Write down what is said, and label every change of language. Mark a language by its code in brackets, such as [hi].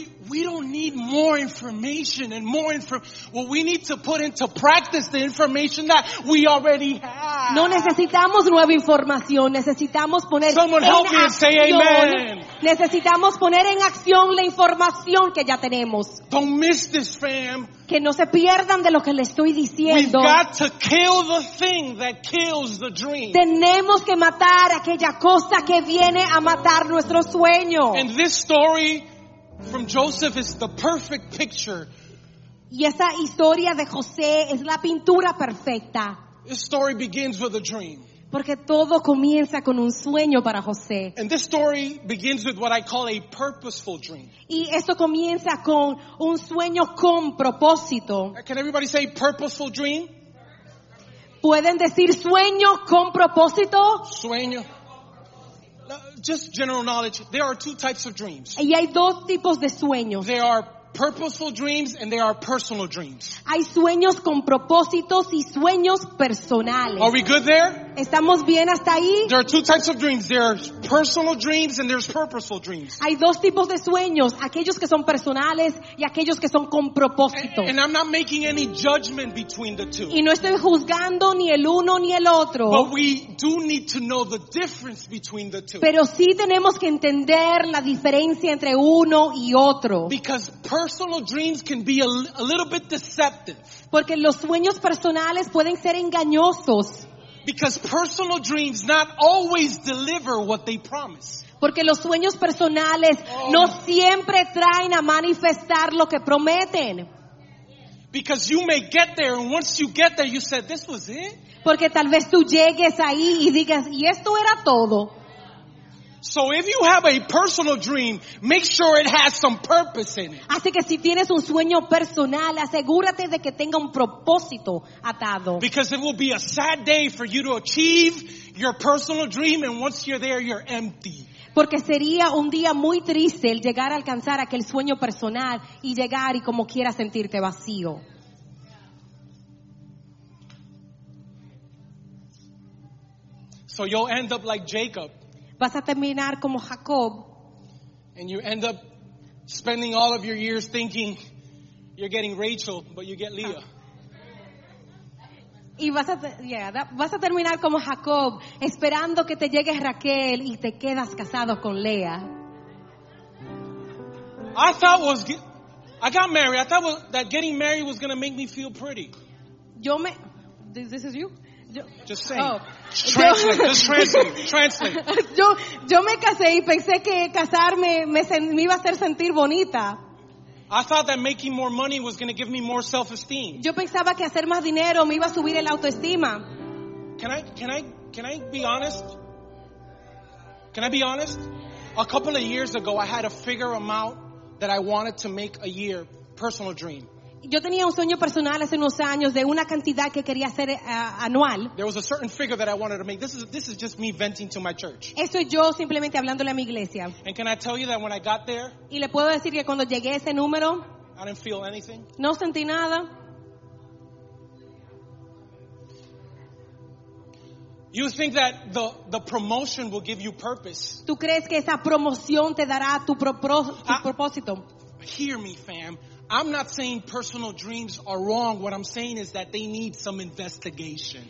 [en] We don't need more information and more information. Well, we need to put into practice the information that we already have. [es] No necesitamos nueva información. Necesitamos poner en acción. [en] Someone help me and say amen. [es] Necesitamos poner en acción la información que ya tenemos. [en] Don't miss this, fam. [es] Que no se pierdan de lo que le estoy diciendo. [en] We've got to kill the thing that kills the dream. [es] Tenemos que matar aquella cosa que viene a matar nuestro sueño. [en] And this story from Joseph is the perfect picture. [es] Y esa historia de José es la pintura perfecta. [en] This story begins with a dream. [es] Porque todo comienza con un sueño para José. [en] And this story begins with what I call a purposeful dream. [es] Y esto comienza con un sueño con propósito. [en] Can everybody say purposeful dream? [es] ¿Pueden decir sueño con propósito? Sueño. [en] Just general knowledge, there are two types of dreams. [es] Y hay dos tipos de sueños. [en] There are purposeful dreams and there are personal dreams. [es] Hay sueños con propósitos y sueños personales. [en] Are we good there? [es] ¿Estamos bien hasta ahí? [en] There are two types of dreams. There are personal dreams and there's purposeful dreams. [es] Hay dos tipos de sueños, aquellos que son personales y aquellos que son con propósito. [en] And I'm not making any judgment between the two. [es] Y no estoy juzgando ni el uno ni el otro. [en] But we do need to know the difference between the two. [es] Pero sí tenemos que entender la diferencia entre uno y otro. [en] Because personal dreams can be a little bit deceptive. [es] Porque los sueños personales pueden ser engañosos. [en] Because personal dreams not always deliver what they promise. [es] Porque los sueños personales no siempre traen a manifestar lo que prometen. [en] Because you may get there, and once you get there, you said, this was it? [es] Porque tal vez tú llegues ahí y digas, y esto era todo. [en] So if you have a personal dream, make sure it has some purpose in it. [es] Así que si tienes un sueño personal, asegúrate de que tenga un propósito atado. [en] Because it will be a sad day for you to achieve your personal dream, and once you're there, you're empty. [es] Porque sería un día muy triste el llegar a alcanzar aquel sueño personal y llegar y como quieras sentirte vacío. [en] So you'll end up like Jacob. [es] Vas a terminar como Jacob. [en] And you end up spending all of your years thinking you're getting Rachel, but you get Leah. [es] Y vas a, vas a terminar como Jacob, esperando que te llegue Raquel y te quedas casado con Lea. [en] I thought was, I got married. I thought was, that getting married was going to make me feel pretty. [es] Yo me, [en] this is you? [es] Yo, [en] just say. Oh. Translate. [es] Yo me casé y pensé que casarme me iba a hacer sentir bonita. [en] I thought that making more money was going to give me more self-esteem. [es] Yo pensaba que hacer más dinero me iba a subir el autoestima. [en] Can I be honest? Can I be honest? A couple of years ago, I had a figure amount that I wanted to make a year, personal dream. [es] Yo tenía un sueño personal hace unos años de una cantidad que quería hacer anual. [en] There was a certain figure that I wanted to make. This is just me venting to my church. [es] Eso es yo simplemente hablándole a mi iglesia. [en] And can I tell you that when I got there? [es] Y le puedo decir que cuando llegué a ese número, [en] I didn't feel anything. [es] No sentí nada. [en] You think that the promotion will give you purpose? [es] ¿Tú crees que esa promoción te dará tu propósito? [en] Hear me, fam. I'm not saying personal dreams are wrong. What I'm saying is that they need some investigation.